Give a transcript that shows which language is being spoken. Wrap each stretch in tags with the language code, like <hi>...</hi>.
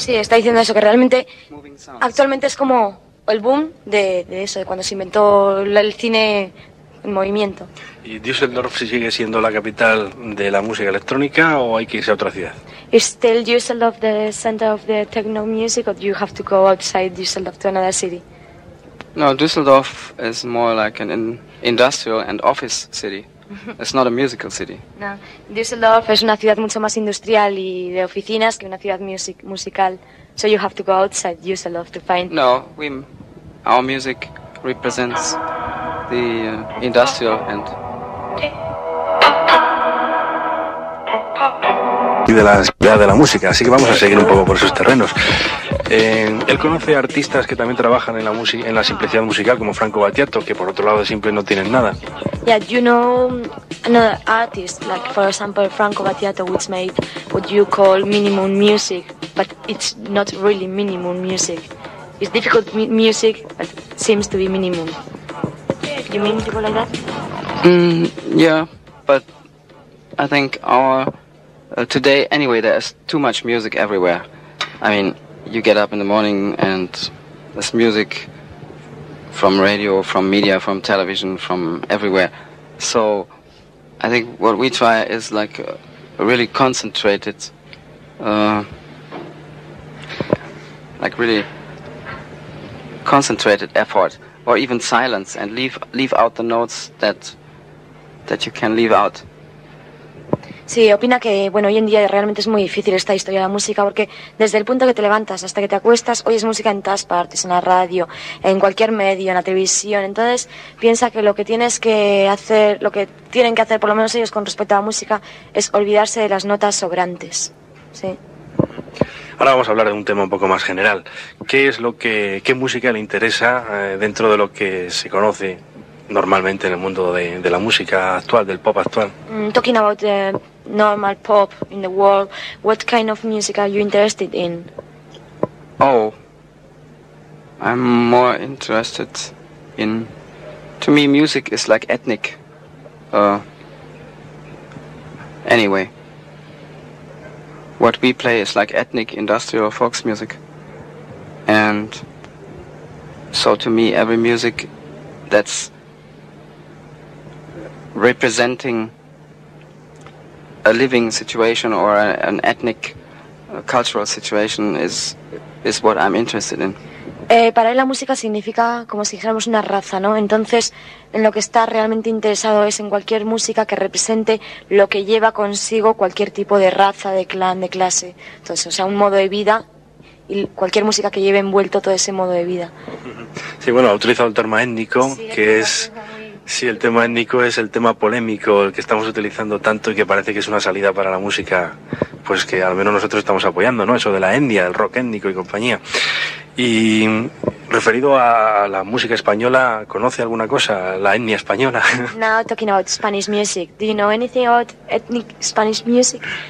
<es>Sí, está diciendo eso, que realmente actualmente es como el boom de eso, de cuando se inventó el cine en movimiento. ¿Y Düsseldorf sigue siendo la capital de la música electrónica o hay que irse a otra ciudad?</es> <en>Is still Düsseldorf the center of the techno music, or do you have to go outside Düsseldorf to another city? No, Düsseldorf is more like an industrial and office city. It's not a musical city.</en> <es>No, Düsseldorf es una ciudad mucho más industrial y de oficinas que una ciudad musical.</es> <en>So you have to go outside Düsseldorf to find. No, our music represents the industrial end.</en> <es>Y de la ciudad de la música, así que vamos a seguir un poco por sus terrenos. Él conoce artistas que también trabajan en la música, en la simplicidad musical, como Franco Battiato, que por otro lado de simple no tienen nada.</es> <en>Yeah, you know another artist, like for example Franco Battiato, which made what you call minimum music, but it's not really minimum music. It's difficult music, but seems to be minimum. You mean people like that? Yeah, but I think our today anyway, there's too much music everywhere. I mean, you get up in the morning and there's music from radio, from media, from television, from everywhere. So I think what we try is like a really concentrated, like really concentrated effort, or even silence, and leave out the notes that you can leave out.</en> <es>Sí, opina que, bueno, hoy en día realmente es muy difícil esta historia de la música porque desde el punto que te levantas hasta que te acuestas hoy es música en todas partes, en la radio, en cualquier medio, en la televisión. Entonces piensa que lo que tienes que hacer, lo que tienen que hacer por lo menos ellos con respecto a la música es olvidarse de las notas sobrantes, ¿sí? Ahora vamos a hablar de un tema un poco más general. ¿Qué es lo que, qué música le interesa dentro de lo que se conoce normalmente en el mundo de la música actual, del pop actual?</es> <en>Talking about the normal pop in the world, what kind of music are you interested in? Oh, I'm more interested in... To me, music is like ethnic. Anyway, what we play is like ethnic industrial folk music. And so to me, every music that's representing a living situation or an ethnic cultural situation is what I'm interested in.</en> <es>Para él la música significa como si dijéramos una raza, ¿no? Entonces, en lo que está realmente interesado es en cualquier música que represente lo que lleva consigo cualquier tipo de raza, de clan, de clase. Entonces, o sea, un modo de vida y cualquier música que lleve envuelto todo ese modo de vida. Sí, bueno, ha utilizado el término étnico, sí, que es... Sí, el tema étnico es el tema polémico, el que estamos utilizando tanto y que parece que es una salida para la música, pues que al menos nosotros estamos apoyando, ¿no? Eso de la etnia, el rock étnico y compañía. Y referido a la música española, ¿conoce alguna cosa? La etnia española.</es> <en>Now talking about Spanish music. Do you know anything about ethnic Spanish music?</en>